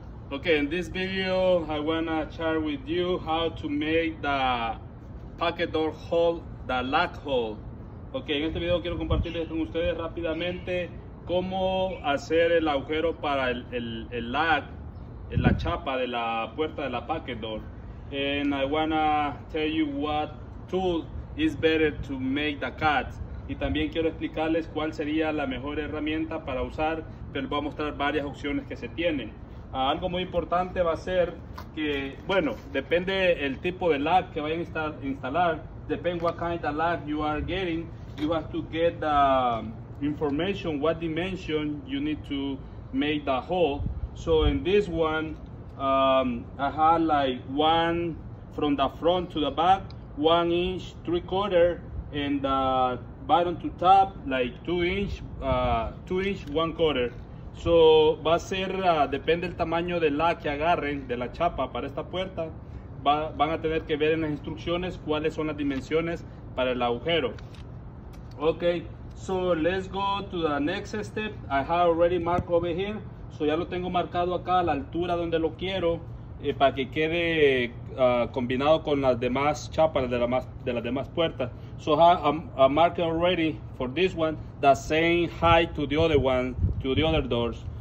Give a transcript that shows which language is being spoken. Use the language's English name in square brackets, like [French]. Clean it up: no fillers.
[English] Okay, in this video, I wanna share with you how to make the pocket door hole, the lock hole. [Spanish] Okay, en este video quiero compartirles con ustedes rápidamente cómo hacer el agujero para el lock, la chapa de la puerta de la pocket door. [English] And I wanna tell you what tool is better to make the cut. [Spanish] Y también quiero explicarles cuál sería la mejor herramienta para usar, pero les voy a mostrar varias opciones que se tienen. Algo muy importante va a ser que, bueno, depende el tipo de lock que vayan a instalar, depende [English] what kind of lock you are getting, you have to get the information, what dimension you need to make the hole. So in this one, I have like one from the front to the back, 1 inch, 3/4, and the bottom to top, like 2 inch, 2 inch, 1/4. [Spanish] So, va a ser, depende del tamaño de la que agarren, de la chapa para esta puerta, van a tener que ver en las instrucciones cuáles son las dimensiones para el agujero. [English] Okay, so let's go to the next step. I have already marked over here. [Spanish] So, ya lo tengo marcado acá a la altura donde lo quiero, para que quede combinado con las demás chapas de las demás puertas. [English] So I marked already for this one the same height to the other one, to the other doors.